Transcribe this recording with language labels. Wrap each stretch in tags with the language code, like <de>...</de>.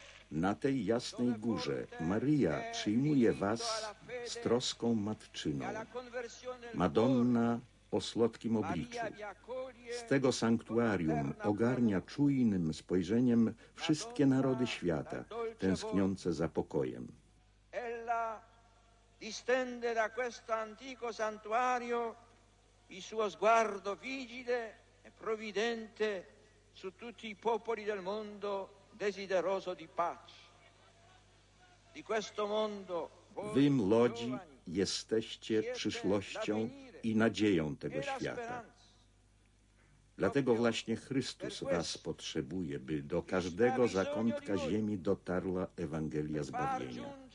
<pl>Na tej jasnej górze Maria przyjmuje was z troską matczyną. Madonna o słodkim obliczu. Z tego sanktuarium ogarnia czujnym spojrzeniem wszystkie narody świata, tęskniące za pokojem.</pl> <it>Ella distende da questo antico santuario il suo sguardo vigile e provvidente su tutti i popoli del mondo desideroso di pace. Di questo mondo</it> <pl>Wy, młodzi, jesteście przyszłością i nadzieją tego świata. Dlatego właśnie Chrystus was potrzebuje, by do każdego zakątka ziemi dotarła Ewangelia zbawienia.</pl>